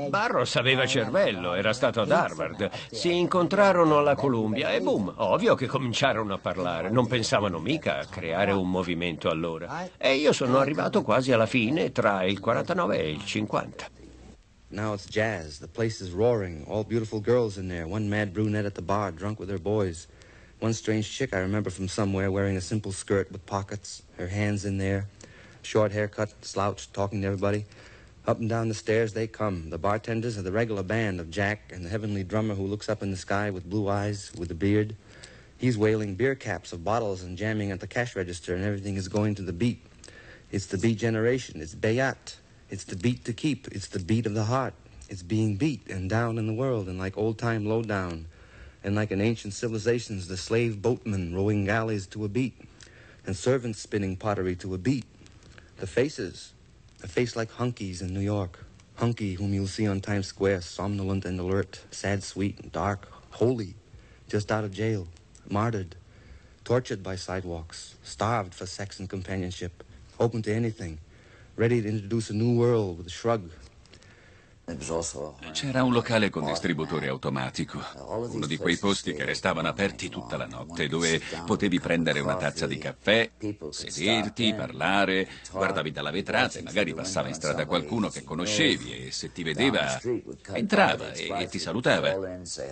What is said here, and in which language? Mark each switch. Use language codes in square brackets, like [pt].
[it] Burroughs aveva cervello, era stato ad Harvard. Si incontrarono alla Columbia e boom, ovvio che cominciarono a parlare. Non pensavano mica a creare un movimento allora. E io sono arrivato quasi alla fine, tra il 49 e il 50. [en] Now it's jazz. The place is roaring. All beautiful girls in there. One mad brunette at the bar, drunk with her boys. One strange chick I remember from somewhere, wearing a simple skirt with pockets. Her hands in there. Short haircut, slouched, talking to everybody. Up and down the stairs they come. The bartenders are the regular band of Jack and the heavenly drummer who looks up in the sky with blue eyes, with a beard. He's wailing beer caps of bottles and jamming at the cash register and everything is going to the beat. It's the beat generation. It's Bayat. It's the beat to keep. It's the beat of the heart. It's being beat and down in the world and like old-time lowdown. And like in ancient civilizations, the slave boatmen rowing galleys to a beat and servants spinning pottery to a beat. The faces, a face like hunkies in New York. Hunky, whom you'll see on Times Square, somnolent and alert, sad, sweet, dark, holy, just out of jail, martyred, tortured by sidewalks, starved for sex and companionship, open to anything. Ready to introduce a new world with a shrug. [it] C'era un locale con distributore automatico, uno di quei posti che restavano aperti tutta la notte, dove potevi prendere una tazza di caffè, sederti, parlare, guardavi dalla vetrata e magari passava in strada qualcuno che conoscevi e se ti vedeva entrava e ti salutava.